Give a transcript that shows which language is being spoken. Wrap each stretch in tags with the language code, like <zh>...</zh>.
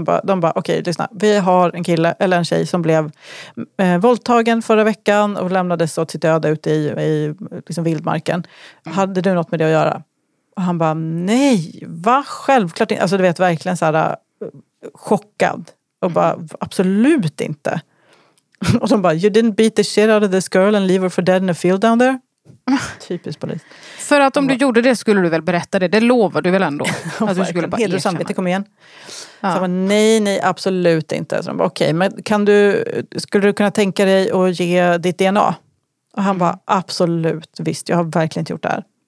<sv>Så de bara, okej, lyssna. Vi har en kille eller en tjej som blev våldtagen förra veckan och lämnades så till döda ute i liksom vildmarken. Mm. Hade du något med det att göra? Och han bara, nej. Va? Självklart. Alltså du vet, verkligen så här chockad. Och bara, absolut inte.</sv> <en>Och de bara, you didn't beat the shit out of this girl and leave her for dead in a field down there?</en> <sv>Typisk polis. För att om du gjorde det skulle du väl berätta det? Det lovar du väl ändå? Att du skulle bara erkänna. Samvete, kom igen. Ja. Så de bara, nej, absolut inte. Så de bara, okej, men skulle du kunna tänka dig att ge ditt DNA? Och han bara, absolut, visst, jag har verkligen inte gjort det här.</sv>